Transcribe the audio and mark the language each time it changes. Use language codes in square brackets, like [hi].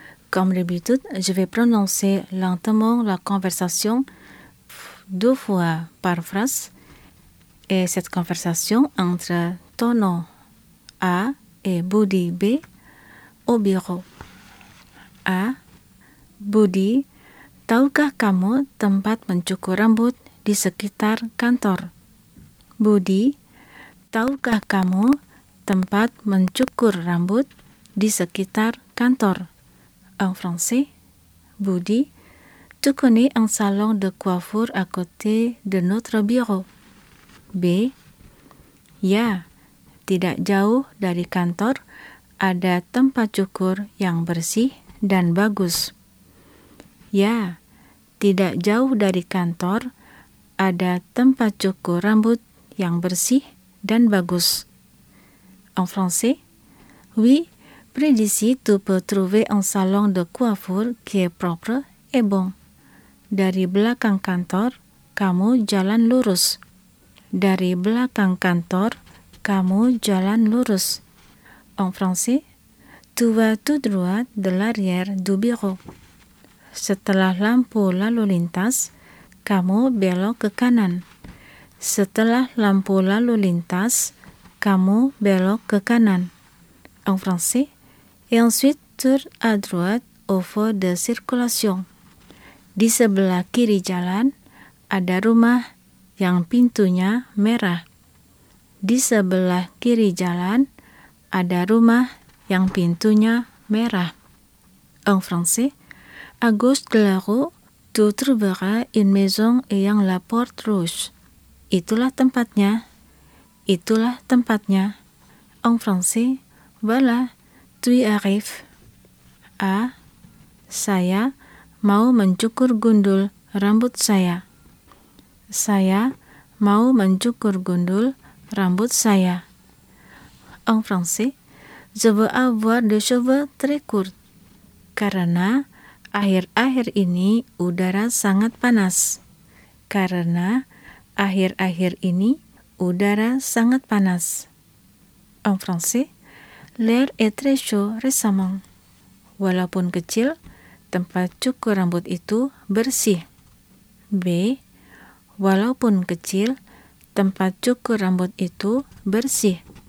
[fr] Comme d'habitude, je vais prononcer lentement la conversation deux fois par phrase. Et cette conversation entre Tono A et Budi B au bureau. A, Budi, [id] Tahukah kamu tempat mencukur rambut di sekitar kantor? Budi, tahukah kamu tempat mencukur rambut di sekitar kantor? [fr] En français, Budi, tu connais un salon de coiffure à côté de notre bureau? B. [id] Ya, tidak jauh dari kantor ada tempat cukur yang bersih dan bagus. Ya, tidak jauh dari kantor ada tempat cukur rambut yang bersih dan bagus. [fr] En français, oui, près d'ici tu peux trouver un salon de coiffure qui est propre et bon. [id] Dari belakang kantor, kamu jalan lurus. Dari belakang kantor, kamu jalan lurus. [fr] En français, tu vas tout droit de l'arrière du bureau. [id] Setelah lampu lalu lintas, kamu belok ke kanan. Setelah lampu lalu lintas, kamu belok ke kanan. [fr] En français, et ensuite tour à droite au feu de circulation. [id] Di sebelah kiri jalan, ada rumah yang pintunya merah. Di sebelah kiri jalan, ada rumah yang pintunya merah. [fr] En français, à gauche de la rue, tu trouveras une maison ayant la porte rouge. [id] Itulah tempatnya. Itulah tempatnya. [fr] En français, voilà, tu y arrives. A. [id] Saya mau mencukur gundul rambut saya. Saya mau mencukur gundul rambut saya. [fr] En français, je veux avoir des cheveux très courts. [id] Karena akhir-akhir ini udara sangat panas. Karena akhir-akhir ini udara sangat panas. [fr] En français, l'air est très chaud récemment. [id] Walaupun kecil, tempat cukur rambut itu bersih. B. Walaupun kecil, tempat cukur rambut itu bersih.